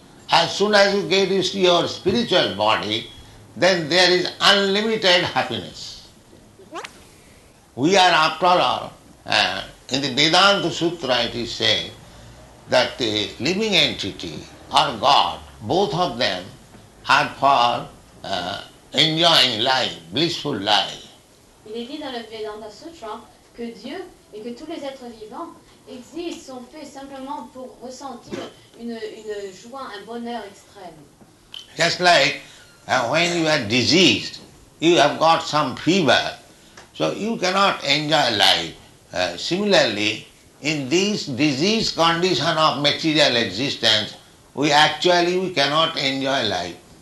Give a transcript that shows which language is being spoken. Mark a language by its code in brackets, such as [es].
[en] As soon as you get your spiritual body, then there is unlimited happiness. We are, after all, in the Vedanta Sutra it is said that the living entity or God, both of them are for enjoying life, blissful life. [fr] Il est dit dans le Vedanta Sutra que Dieu et que tous les êtres vivants existent, sont faits simplement pour ressentir une joie, un bonheur extrême. [en] Just like when you are diseased, you have got some fever, so you cannot enjoy life. Similarly, in this diseased condition of material existence, we cannot enjoy life.